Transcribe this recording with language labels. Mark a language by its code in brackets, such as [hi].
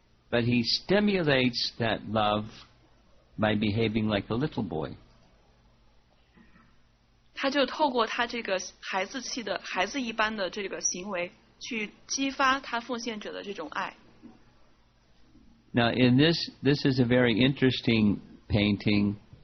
[en] But he stimulates that love by behaving like a little boy. [zh] 他就透过他这个孩子气的孩子一般的这个行为，去激发他奉献者的这种爱。 [en] Now, in this is a very interesting painting.